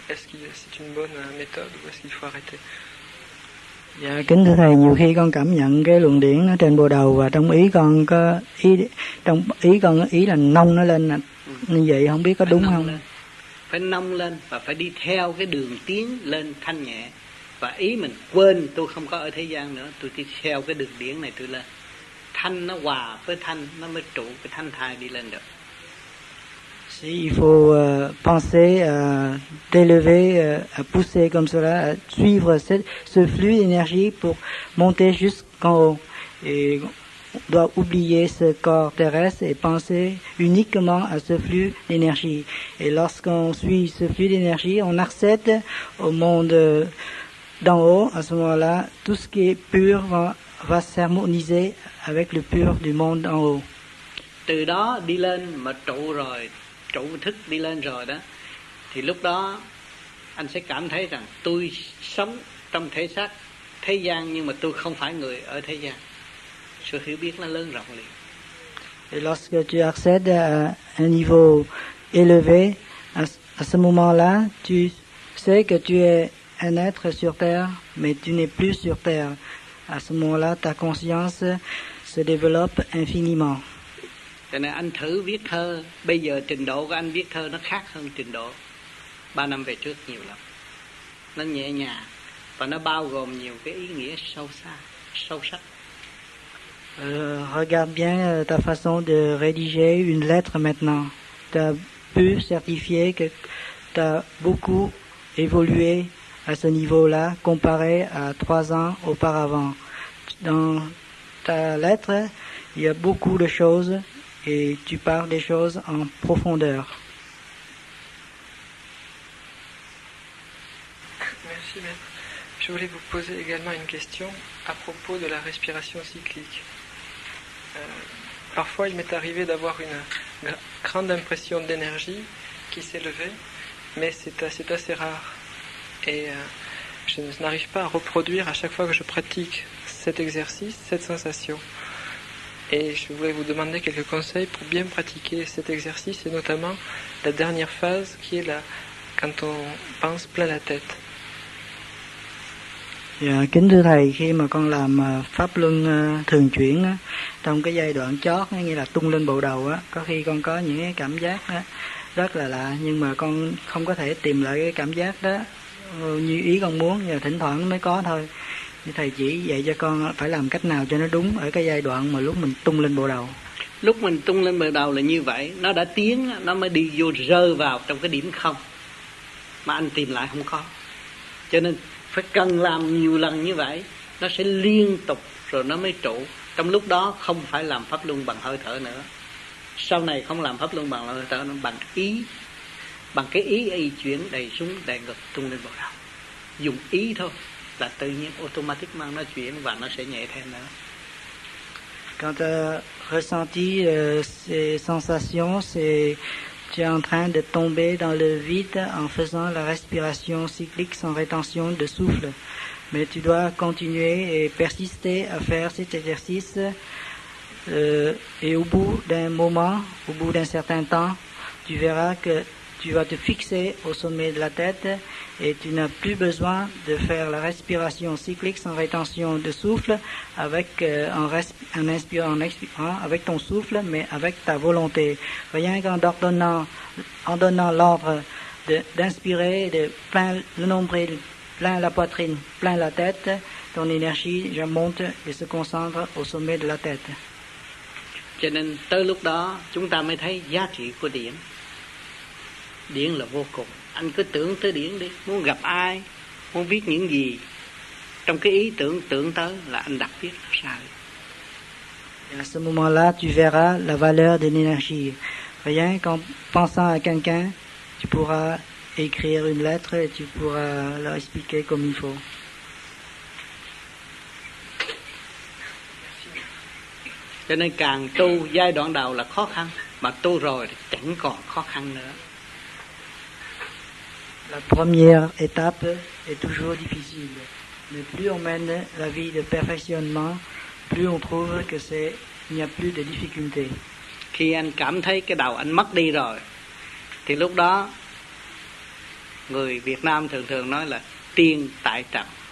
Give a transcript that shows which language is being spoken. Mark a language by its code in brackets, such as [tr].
[fr] Est-ce que c'est une bonne méthode ou est-ce qu'il faut arrêter? [vi] Dạ, kính thưa thầy, nhiều khi con cảm nhận cái luồng điện nó trên bộ đầu và trong ý con có ý, trong ý con ý là nông nó lên như vậy, không biết có đúng không? Phải nông lên và phải đi theo cái đường tiến lên thanh nhẹ, và ý mình quên tôi không có ở thế gian nữa, tôi đi theo cái đường điển này tôi lên thanh, nó hòa với thanh, nó mới trụ cái thanh thai đi lên được. [fr] Si il faut penser à t'élever, à pousser comme cela, à suivre ce flux d'énergie pour monter jusqu'en haut. Et on doit oublier ce corps terrestre et penser uniquement à ce flux d'énergie. Et lorsqu'on suit ce flux d'énergie, on accède au monde d'en haut. À ce moment-là, tout ce qui est pur va s'harmoniser avec le pur du monde d'en haut. [vi] Từ đó đi lên mà trụ rồi. Trụ thức đi lên rồi đó, thì lúc đó anh sẽ cảm thấy rằng tôi sống trong thể xác thế gian nhưng mà tôi không phải người ở thế gian. Sự hiểu biết nó lớn rộng liền. [fr] Et lorsque tu accèdes à un niveau élevé, à ce moment-là, tu sais que tu es un être sur terre, mais tu n'es plus sur terre. À ce moment-là, ta conscience se développe infiniment. [vi] Cho nên anh thử viết thơ, bây giờ trình độ của anh viết thơ nó khác hơn trình độ 3 năm về trước nhiều lắm. Nó nhẹ nhàng và nó bao gồm nhiều cái ý nghĩa sâu sắc. [fr] Regarde bien ta façon de rédiger une lettre maintenant. Tu as pu certifier que tu as beaucoup évolué à ce niveau-là comparé à 3 ans auparavant. Dans ta lettre, il y a beaucoup de choses. Et tu parles des choses en profondeur. Merci, maître. Je voulais vous poser également une question à propos de la respiration cyclique. Parfois, il m'est arrivé d'avoir une grande impression d'énergie qui s'est levée, mais c'est assez rare. Et je n'arrive pas à reproduire à chaque fois que je pratique cet exercice, cette sensation. Et je voulais vous demander quelques conseils pour bien pratiquer cet exercice, et notamment la dernière phase qui est là, quand on pense plein la tête. [vi] Kính thưa thầy, khi mà con làm pháp luân thường chuyển trong cái giai đoạn chót, như là tung lên bộ đầu, có khi con có những cái cảm giác rất là lạ, nhưng mà con không có thể tìm lại cái cảm giác đó như ý con muốn, và thỉnh thoảng mới có thôi. Thầy chỉ dạy cho con phải làm cách nào cho nó đúng ở cái giai đoạn mà lúc mình tung lên bộ đầu. Lúc mình tung lên bộ đầu là như vậy, nó đã tiến, nó mới đi vô rơ vào trong cái điểm không, mà anh tìm lại không có. Cho nên phải cần làm nhiều lần như vậy, nó sẽ liên tục rồi nó mới trụ. Trong lúc đó không phải làm pháp luân bằng hơi thở nữa. Sau này không làm pháp luân bằng hơi thở nữa, bằng ý. Bằng cái ý ấy chuyển đầy xuống đầy ngực tung lên bộ đầu. Dùng ý thôi là tự nhiên automatic mang nó chuyển và nó sẽ nhẹ thêm nữa. [fr] Quand tu as ressenti ces sensations, c'est tu es en train de tomber dans le vide en faisant la respiration cyclique sans rétention de souffle. Mais tu dois continuer et persister à faire cet exercice. Et au bout d'un moment, au bout d'un certain temps, tu verras que tu vas te fixer au sommet de la tête et tu n'as plus besoin de faire la respiration cyclique sans rétention de souffle avec en expirant avec ton souffle, mais avec ta volonté. Rien qu'en donnant l'ordre d'inspirer, de plein le nombril, plein la poitrine, plein la tête, ton énergie je monte et se concentre au sommet de la tête. [vi] Cho nên tới lúc đó chúng ta mới thấy giá trị của điển. Điển là vô cùng. Anh cứ tưởng tới điển đi, muốn gặp ai, muốn viết những gì, trong cái ý tưởng tưởng tới là anh đặt viết nó ra. [fr] Et à ce moment-là, tu verras la valeur de l'énergie. Rien qu'en pensant à quelqu'un, tu pourras écrire une lettre et tu pourras leur expliquer comme il faut. [vi] Cho nên càng tu giai đoạn đầu là khó khăn, mà tu rồi thì chẳng còn khó khăn nữa. [fr] La première étape est toujours difficile. Mais plus on mène la vie de perfectionnement, plus on trouve que c'est il n'y a plus de difficulté. [vi] Khi anh cảm thấy cái đầu anh mất đi rồi, thì lúc đó người Việt Nam thường thường nói là tiên tại trần.